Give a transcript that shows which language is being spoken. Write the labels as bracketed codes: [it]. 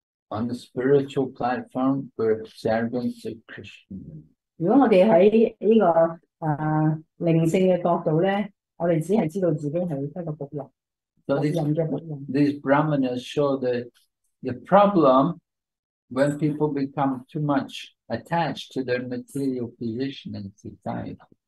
[en] On the spiritual platform, we're servants of Krishna. [zh] 如果我们在这个灵性的角度呢，我们只是知道自己是一个仆人，仆人的仆人。 [en] These brahmanas show the problem when people become too much attached to their material position in society.